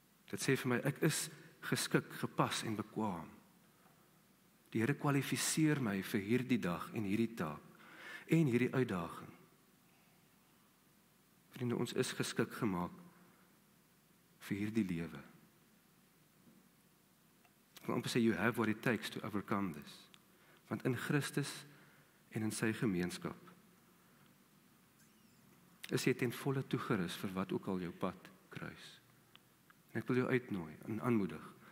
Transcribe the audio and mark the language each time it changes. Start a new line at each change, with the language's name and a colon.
Afrikaans: Dit sê vir my, ek is geskik, gepas en bekwaam. Die Here kwalifiseer my vir hierdie dag en hierdie taak en hierdie uitdaging. Vriende, ons is geskik gemaak vir hierdie lewe. Ek wil amper sê,
English: you have what it takes to overcome this.
Afrikaans: Want in Christus en in sy gemeenskap is jy ten volle toegerus vir wat ook al jou pad kruis. En ek wil jou uitnooi en aanmoedig.